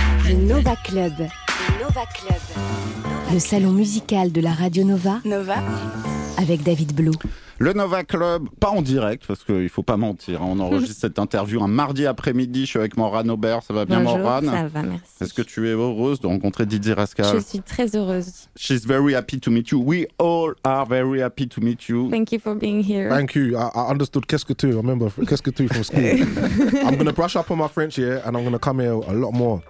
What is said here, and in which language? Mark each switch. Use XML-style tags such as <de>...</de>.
<fr>Nova Club. Nova Club. Le salon musical de la radio Nova. Nova. Avec David Blo. Le Nova Club, pas en direct, parce qu'il ne faut pas mentir. On enregistre cette interview un mardi après-midi. Je suis avec Morane Aubert. Ça va bien, bonjour, Morane? Ça va, merci. Est-ce que tu es heureuse de rencontrer Didzy Rascal? Je suis très heureuse.</fr> <en>She's very happy to meet you. We all are very happy to meet you. Thank you for being here. Thank you. I understood</en> <fr>qu'est-ce que tu,</fr> <en>remember,</en> <fr>qu'est-ce que tu</fr> <en>from school. I'm going to brush up on my French here and I'm going to come here a lot more.</en>